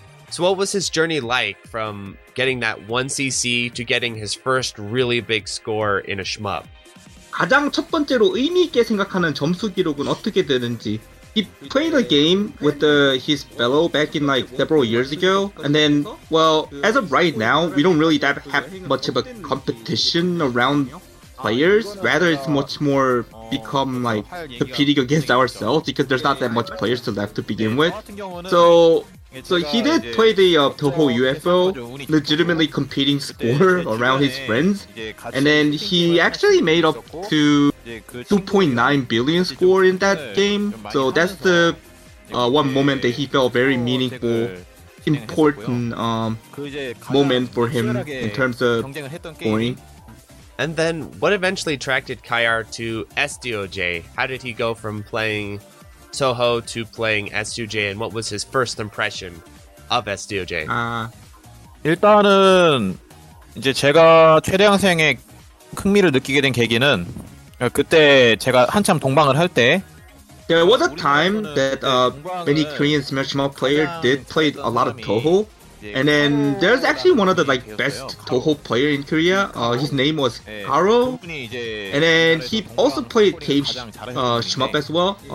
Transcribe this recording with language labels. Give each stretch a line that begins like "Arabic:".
English: So what was his journey like from getting that 1cc to getting his first really big score in a shmup?
Korean: 가장 첫 번째로 의미 있게 생각하는 점수 기록은 어떻게 되는지.
English: He played a game with his fellow back in like several years ago, and then, well, as of right now, we don't really have much of a competition around players. Rather, it's much more become like competing against ourselves because there's not that much players to left to begin with. So he did play the Touhou UFO, legitimately competing score around his friends, and then he actually made up to 2.9 billion score in that game. So that's the one moment that he felt very meaningful, important moment for him in terms of scoring. And then what eventually attracted Kayar to SDOJ? How did he go from playing Touhou to playing SDOJ, and what was his first impression of SDOJ?
Korean: 일단은 이제 제가 최대왕생의 흥미를 느끼게 된 계기는 그때 제가 한참 동방을 할 때.
English: There was a time that many Korean Smash Mouth players did play a lot of Touhou, and then there's actually one of the like best Touhou player in Korea. His name was Haro, and then he also played CAVE shmup as well.